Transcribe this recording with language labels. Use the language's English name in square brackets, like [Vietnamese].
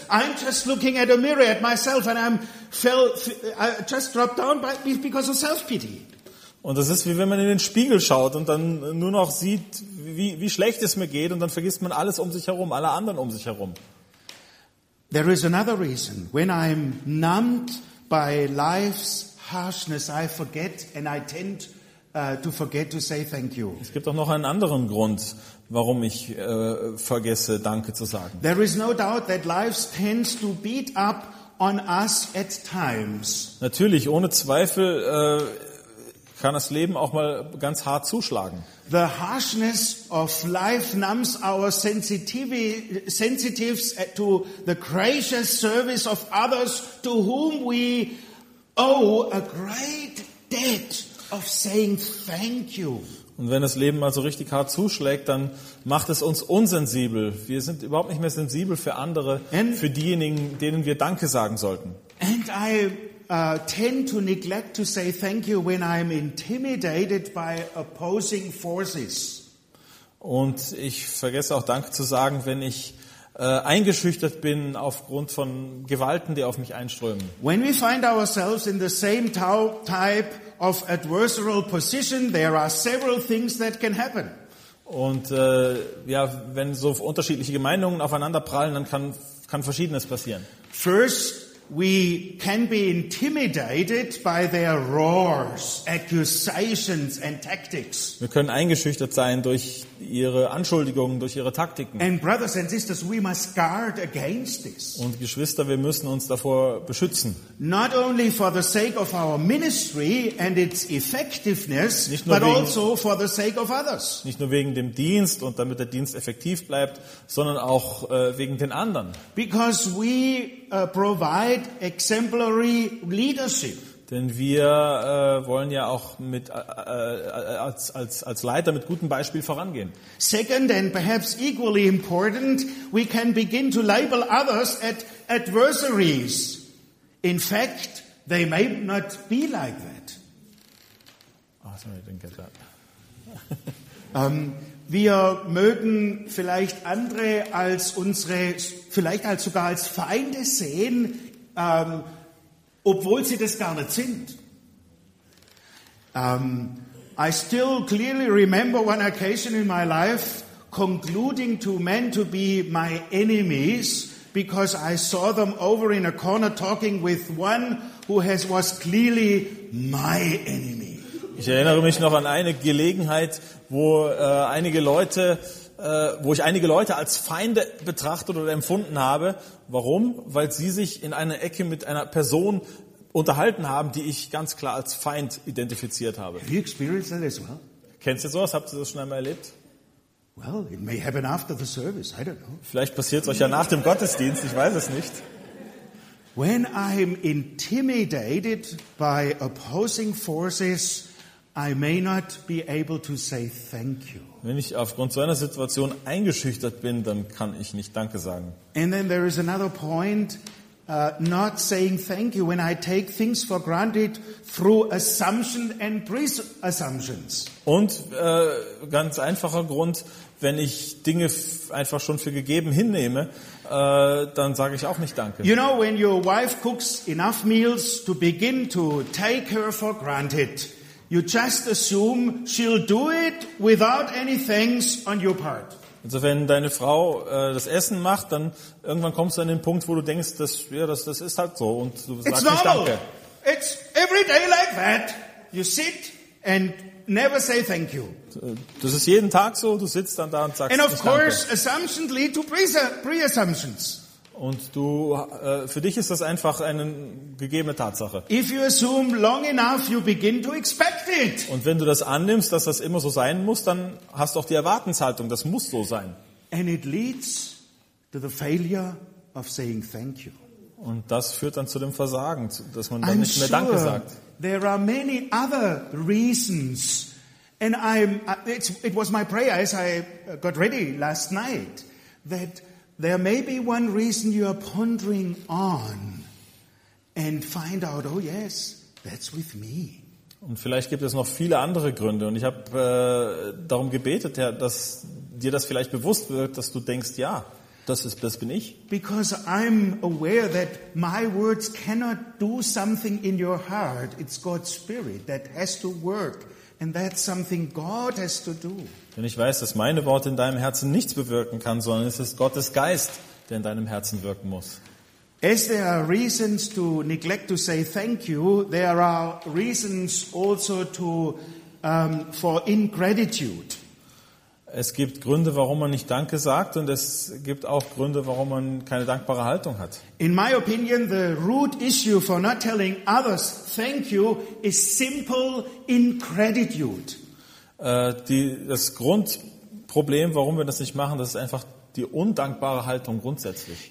[English] I'm just looking at a mirror at myself. And I just dropped down because of self-pity. [German] Und das ist, wie wenn man in den Spiegel schaut und dann nur noch sieht, wie schlecht es mir geht, und dann vergisst man alles um sich herum, alle anderen um sich herum. [English] There is another reason. When I'm numbed by life's harshness, I forget and I tend to forget to say thank you. [German] Es gibt auch noch einen anderen Grund, warum ich vergesse, Danke zu sagen. [English] There is no doubt that life tends to beat up on us at times. [German] Natürlich, ohne Zweifel, kann das Leben auch mal ganz hart zuschlagen. [English] The harshness of life numbs our sensitives to the gracious service of others, to whom we owe a great debt of saying thank you. [German] Und wenn das Leben mal so richtig hart zuschlägt, dann macht es uns unsensibel. Wir sind überhaupt nicht mehr sensibel für andere, für diejenigen, denen wir Danke sagen sollten. [English] And I tend to neglect to say thank you when I'm intimidated by opposing forces. [German] Und ich vergesse auch Danke zu sagen, wenn ich eingeschüchtert bin aufgrund von Gewalten, die auf mich einströmen. [English] When we find ourselves in the same type of adversarial position, there are several things that can happen. [German] Und wenn so unterschiedliche Meinungen aufeinander prallen, dann kann Verschiedenes passieren. [English] First, we can be intimidated by their roars, accusations and tactics. [German] Wir können eingeschüchtert sein durch ihre Anschuldigungen, durch ihre Taktiken. [English] And brothers and sisters, we must guard against this. [German] Und Geschwister, wir müssen uns davor beschützen. [English] Not only for the sake of our ministry and its effectiveness, but also for the sake of others. [German] Nicht nur wegen dem Dienst und damit der Dienst effektiv bleibt, sondern auch wegen den anderen. [English] Because we provide exemplary leadership. [German] Denn wir wollen ja auch mit als Leiter mit gutem Beispiel vorangehen. [English] Second and perhaps equally important, we can begin to label others as adversaries. In fact, they may not be like that. Oh, sorry, I didn't get that. [German] Wir mögen vielleicht andere als unsere, vielleicht als sogar als Feinde sehen, obwohl sie das gar nicht sind. [English] I still clearly remember one occasion in my life concluding to men to be my enemies, because I saw them over in a corner talking with one who was clearly my enemy. [German] Ich erinnere mich noch an eine Gelegenheit, wo ich einige Leute als Feinde betrachtet oder empfunden habe. Warum? Weil sie sich in einer Ecke mit einer Person unterhalten haben, die ich ganz klar als Feind identifiziert habe. [English] Have you experienced that as well? [German] Kennst du sowas? Habt ihr das schon einmal erlebt? [English] Well, it may happen after the service. I don't know. [German] Vielleicht passiert es euch ja nach dem Gottesdienst. Ich weiß es nicht. [English] When I'm intimidated by opposing forces, I may not be able to say thank you. [German] Wenn ich aufgrund so einer Situation eingeschüchtert bin, dann kann ich nicht Danke sagen. [English] And then there is another point, not saying thank you when I take things for granted through assumption and presumptions. [German] Und ganz einfacher Grund, wenn ich Dinge einfach schon für gegeben hinnehme, dann sage ich auch nicht Danke. [English] You know, when your wife cooks enough meals to begin to take her for granted, you just assume she'll do it without any thanks on your part. [German] Also wenn deine Frau das Essen macht, dann irgendwann kommst du an den Punkt, wo du denkst, das ist halt so, und du sagst nicht Danke. [English] It's every day like that. You sit and never say thank you. [German] Das ist jeden Tag so, du sitzt dann da und sagst nicht Danke. [English] And of course, assumptions lead to pre-assumptions. [German] Und du, für dich ist das einfach eine gegebene Tatsache. [English] If you assume long enough, you begin to expect it. [German] Und wenn du das annimmst, dass das immer so sein muss, dann hast du auch die Erwartungshaltung, das muss so sein. [English] And it leads to the failure of saying thank you. [German] Und das führt dann zu dem Versagen, dass man dann nicht mehr Danke sagt. [English] There are many other reasons And it was my prayer as I got ready last night that there may be one reason you are pondering on and find out, oh yes, that's with me. [German] Und vielleicht gibt es noch viele andere Gründe. Und ich habe darum gebetet, ja, dass dir das vielleicht bewusst wird, dass du denkst, ja, das bin ich. [English] Because I'm aware that my words cannot do something in your heart. It's God's Spirit that has to work. And that's something God has to do. [German] Denn ich weiß, dass meine Worte in deinem Herzen nichts bewirken kann, sondern es ist Gottes Geist, der in deinem Herzen wirken muss. [English] As there are reasons to neglect to say thank you, there are reasons also for ingratitude. [German] Es gibt Gründe, warum man nicht Danke sagt, und es gibt auch Gründe, warum man keine dankbare Haltung hat. [English] In my opinion, the root issue for not telling others thank you is simple ingratitude. [German] Das Grundproblem, warum wir das nicht machen, das ist einfach die undankbare Haltung grundsätzlich.